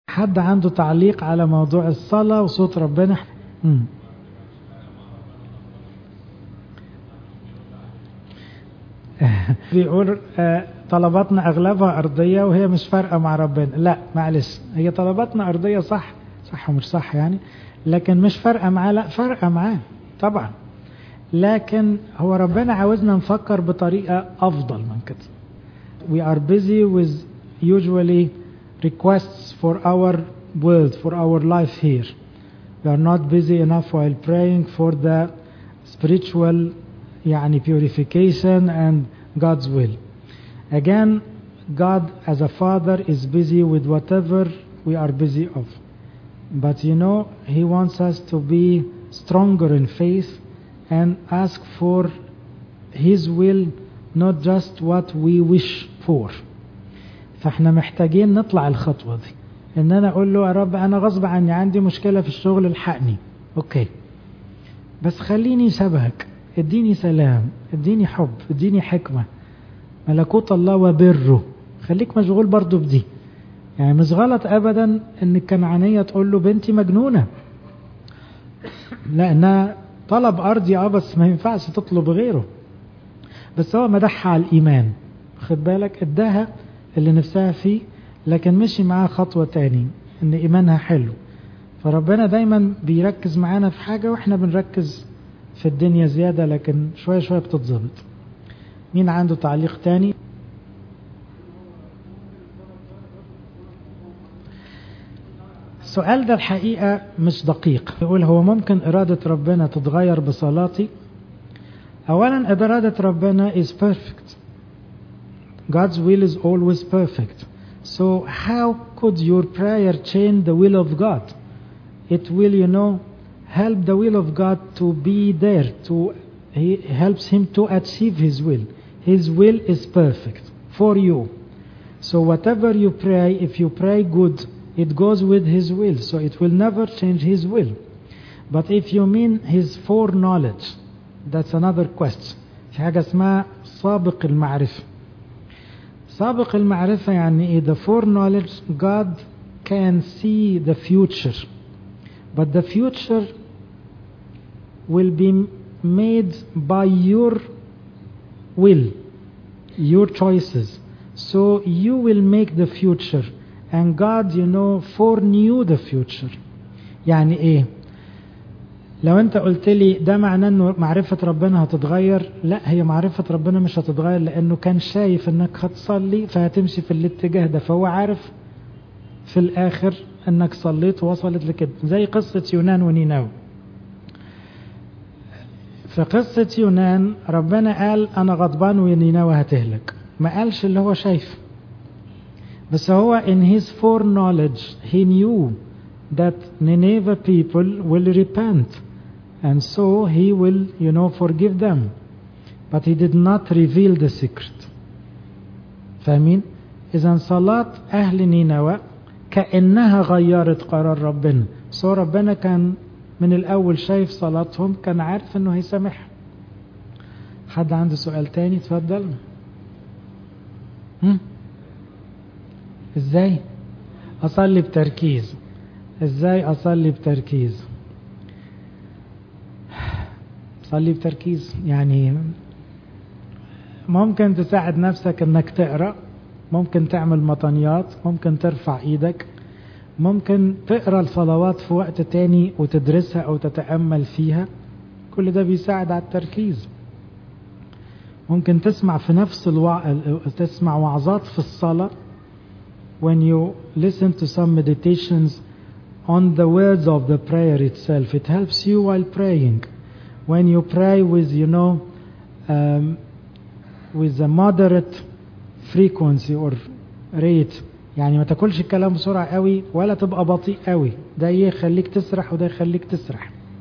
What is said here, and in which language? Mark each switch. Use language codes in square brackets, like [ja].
[ar] حد عنده تعليق على موضوع الصلاة وصوت ربنا؟ بيقول طلباتنا أغلبها أرضية وهي مش فارقة مع ربنا. لا معلش، هي طلباتنا أرضية صح، صح ومش صح يعني، لكن مش فارقة معاه. لا فارقة معاه طبعا، لكن هو ربنا عاوزنا نفكر بطريقة أفضل من كده. [en] We are busy with usually requests for our world, for our life here. We are not busy enough while praying for the spiritual يعني purification and God's will. Again, God as a father is busy with whatever we are busy of. But you know, he wants us to be stronger in faith and ask for his will, not just what we wish for. [ar] فاحنا محتاجين نطلع الخطوة دي، ان انا اقول له يا رب انا غصب عني عندي مشكلة في الشغل الحقني، اوكي بس خليني سبهك، اديني سلام، اديني حب، اديني حكمة، ملكوت الله وبره، خليك مشغول برضو بدي. يعني مش غلط ابدا ان الكنعانية تقول له بنتي مجنونة، لانها طلب ارضي اه، بس ما ينفعش تطلب غيره. بس هو مدحها على الايمان، خد بالك، اداها اللي نفسها فيه، لكن مشي معاه خطوة تاني ان ايمانها حلو. فربنا دايما بيركز معانا في حاجة واحنا بنركز في الدنيا زيادة، لكن شوية شوية بتتظبط. مين عنده تعليق تاني؟ السؤال ده الحقيقة مش دقيق. يقول هو ممكن إرادة ربنا تتغير بصلاتي؟ أولا إرادة ربنا [en] is perfect. God's will is always perfect. So how could your prayer change the will of God? It will, you know, help the will of God to be there, to he helps him to achieve his will. His will is perfect for you. So whatever you pray, if you pray good, it goes with his will. So it will never change his will. But if you mean his foreknowledge, that's another question. [ar] في حاجة اسمها سابق المعرفة. سابق المعرفة يعني إيه؟ [en] The foreknowledge, God can see the future. But the future will be made by your will, your choices. So you will make the future. And God, you know, foreknew the future. [ar] يعني إيه؟ لو أنت قلت لي ده معناه أنه معرفة ربنا هتتغير، لا، هي معرفة ربنا مش هتتغير، لأنه كان شايف أنك هتصلي فهتمشي في الاتجاه ده، فهو عارف في الآخر أنك صليت ووصلت لكده. زي قصة يونان ونينوى. في قصة يونان ربنا قال أنا غضبان ونينوى هتهلك، ما قالش اللي هو شايف، بس هو [en] in his foreknowledge he knew that Nineveh people will repent and so he will, you know, forgive them. But he did not reveal the secret. [ar] فاهمين؟ إذا صلاة أهل نينوى كأنها غيرت قرار ربنا. سو ربنا كان من الأول شايف صلاتهم، كان عارف أنه هيسامح. حد عنده سؤال تاني؟ تفضل. إزاي أصلي بتركيز؟ إزاي أصلي بتركيز؟ صلي بتركيز يعني ممكن تساعد نفسك أنك تقرأ، ممكن تعمل مطانيات، ممكن ترفع إيدك، ممكن تقرأ الصلوات في وقت تاني وتدرسها أو تتأمل فيها، كل ده بيساعد على التركيز. ممكن تسمع في نفس الوقت، تسمع وعظات في الصلاة. [en] When you listen to some meditations on the words of the prayer itself, it helps you while praying. When you pray with, you know, with a moderate frequency or rate, [ar] يعني ما تاكلش الكلام بسرعة قوي ولا تبقى بطيء قوي، ده يخليك تسرح وده يخليك تسرح.